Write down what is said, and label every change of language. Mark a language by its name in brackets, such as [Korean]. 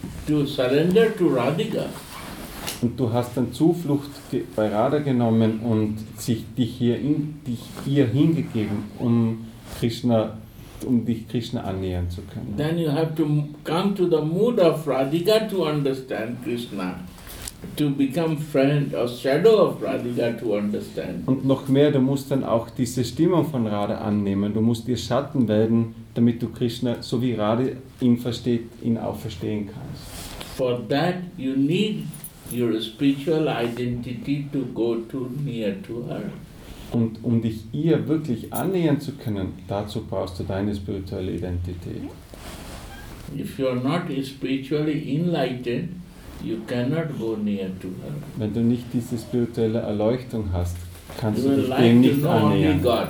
[English] to surrender to Radhika. [German] Und du hast dann Zuflucht bei Radha genommen und dich ihr hingegeben, um dich Krishna annähern zu können. [English] Then you have to come to the mood of Radhika to understand Krishna, to become friend or shadow of Radhika to understand. [German] Und noch mehr, du musst dann auch diese Stimmung von Radha annehmen. Du musst ihr Schatten werden, damit du Krishna, so wie Radha ihn versteht, ihn auch verstehen kannst. [English] For that you need your spiritual identity to go to near to her. [German] Und um dich ihr wirklich annähern zu können, dazu brauchst du deine spirituelle Identität. [English] If you are not spiritually enlightened, you cannot go near to her. [German] Wenn du nicht diese spirituelle Erleuchtung hast, kannst du dich dem nicht annähern.